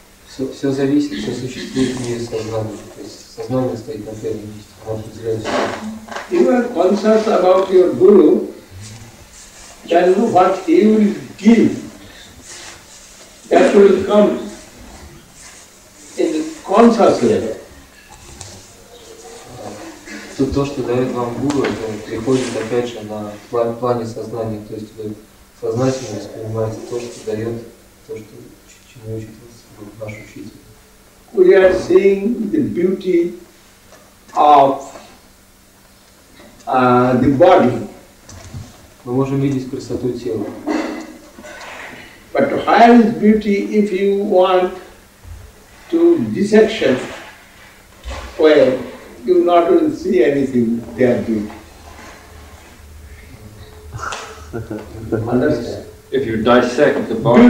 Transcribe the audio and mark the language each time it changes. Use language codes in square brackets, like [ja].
[ru] Все зависит, все существует в мире сознания. То есть сознание стоит на первом месте. Оно определяет все. [en] You are conscious about your Guru, then what he will give, that will come in the conscious level. [ru] То, что дает вам Гуру, это приходит опять же на плане сознания. То есть вы сознательно воспринимаете то, что дает, то, что чему учит вас наш учитель. [en] We are seeing the beauty of the body. [ru] Мы можем видеть красоту тела. [en] But to have this beauty, if you want to dissection, well, you not will see anything there beauty. Understand? If you dissect the body,